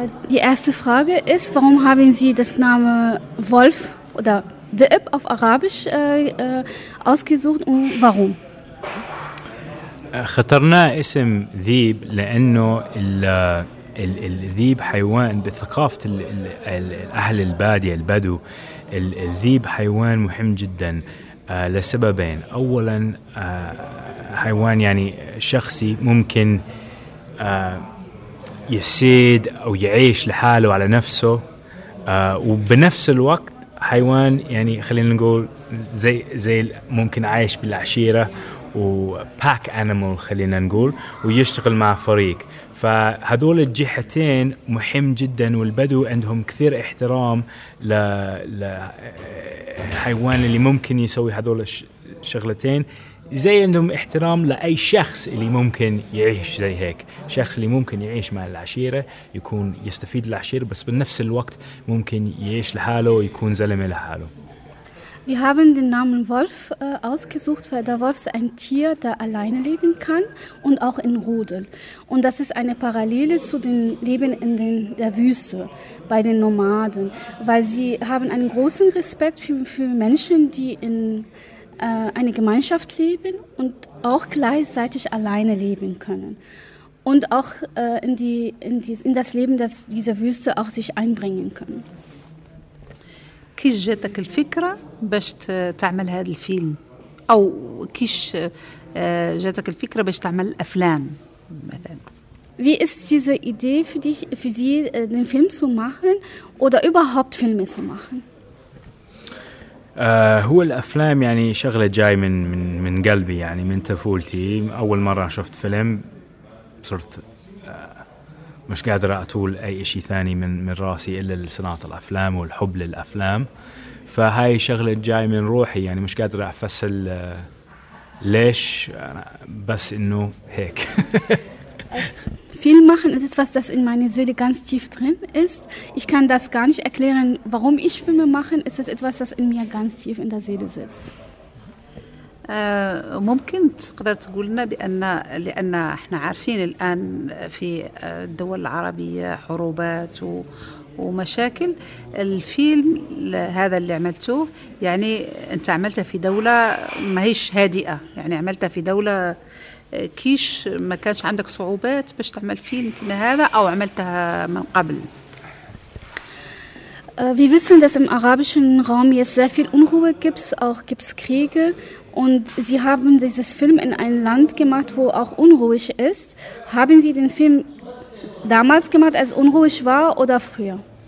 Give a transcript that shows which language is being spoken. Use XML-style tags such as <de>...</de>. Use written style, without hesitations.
<de>Die erste Frage ist, warum haben Sie das Name Wolf oder Dhib auf Arabisch ausgesucht und warum?</de> <ar>اخترنا اسم ذيب لأنه الذيب حيوان بثقافة أهل البادية البدو الذيب حيوان مهم جدا لسببين أولا حيوان يعني شخصي ممكن يسيد أو يعيش لحاله على نفسه وبنفس الوقت حيوان يعني خلينا نقول زي ممكن عايش بالعشيرة وباك أنيمال خلينا نقول ويشتغل مع فريق فهذول الجهتين مهم جدا والبدو عندهم كثير احترام للحيوان اللي ممكن يسوي هذول الشغلتين زي عندهم احترام لأي شخص اللي ممكن يعيش زي هيك شخص اللي ممكن يعيش مع العشيرة يكون يستفيد العشيرة بس بنفس الوقت ممكن يعيش لحاله ويكون زلمة لحاله</ar> <de>Wir haben den Namen Wolf ausgesucht, weil der Wolf ist ein Tier, der alleine leben kann und auch in Rudel. Und das ist eine Parallele zu dem Leben in der Wüste bei den Nomaden, weil sie haben einen großen Respekt für Menschen, die in einer Gemeinschaft leben und auch gleichzeitig alleine leben können. Und auch in das Leben dieser Wüste auch sich einbringen können.</de> <ar>كيش جاتك الفكرة باش تعمل هذا الفيلم أو كيش جاتك الفكرة باش تعمل الأفلام مثلا</ar> <de>Wie ist diese Idee für dich, für Sie, den Film zu machen oder überhaupt Filme zu machen?</de> <ar>هو الأفلام يعني شغلة جاي من قلبي يعني من طفولتي أول مرة شفت فيلم صرت مش قادر أطول أي إشي ثاني من راسي إلا لصناعة الأفلام والحب للأفلام فهاي شغلة جاي من روحي يعني مش قادر أفسر ليش بس إنه هيك</ar> <de>Viel machen ist etwas, das in meiner Seele ganz tief drin ist. Ich kann das gar nicht erklären, warum ich Filme mache. Es ist etwas, das in mir ganz tief in der Seele sitzt.</de> <ar>ممكن تقدر تقولنا بأن لأن احنا عارفين الآن في الدول العربية حروبات ومشاكل. الفيلم هذا اللي عملته يعني انت عملته في دولة ماهيش هادئة، يعني عملته في دولة كيش ما كانش عندك صعوبات باش تعمل فيلم كما هذا أو عملتها من قبل؟</ar> <de>Wir wissen, dass im arabischen Raum jetzt sehr viel Unruhe gibt, auch gibt es Kriege. Und Sie haben dieses Film in ein Land gemacht, wo auch unruhig ist. Haben Sie den Film damals gemacht, als unruhig war oder früher?</de>